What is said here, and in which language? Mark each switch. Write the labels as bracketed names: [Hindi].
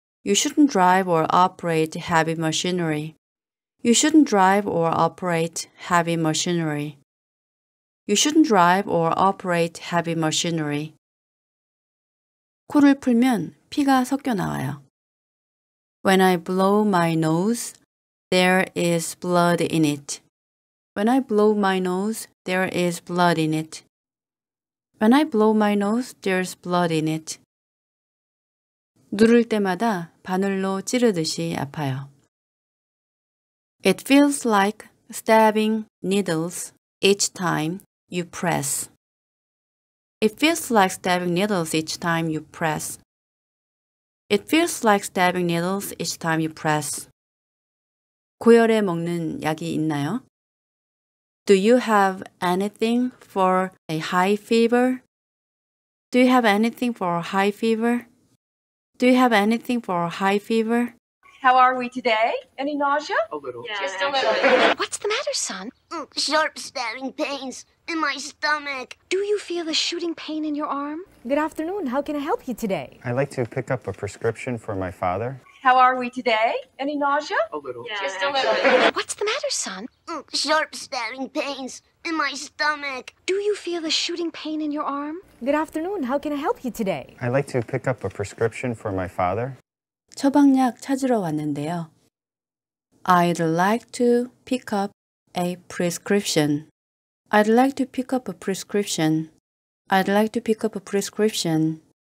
[English] You shouldn't drive or operate heavy machinery. You shouldn't drive or operate heavy machinery. You shouldn't drive or operate heavy machinery. [Korean] 코를 풀면 피가 섞여 나와요. [English] When I blow my nose, there is blood in it. When I blow my nose, there is blood in it. When I blow my nose, there's blood in it. [Korean] 누를 때마다 바늘로 찌르듯이 아파요. [English] It feels like stabbing needles each time you press. It feels like stabbing needles each time you press. It feels like stabbing needles each time you press. [Korean] 고열에 먹는 약이 있나요? [English] Do you have anything for a high fever? Do you have anything for a high fever? Do you have anything for a high fever? How are we today? Any nausea? A little. Yeah, just a little. What's the matter, son? Sharp stabbing pains in my stomach. Do you feel the shooting pain in your arm? Good afternoon. How can I help you today? I'd like to pick up a prescription for my father. How are we today? Any nausea? A little. Yeah, just a little. What's the matter, son? Sharp stabbing pains in my stomach. Do you feel the shooting pain in your arm? Good afternoon. How can I help you today? I'd like to pick up a prescription for my father. [Korean] 처방약 찾으러 왔는데요. [English] I'd like to pick up a prescription. I'd like to pick up a prescription. I'd like to pick up a prescription.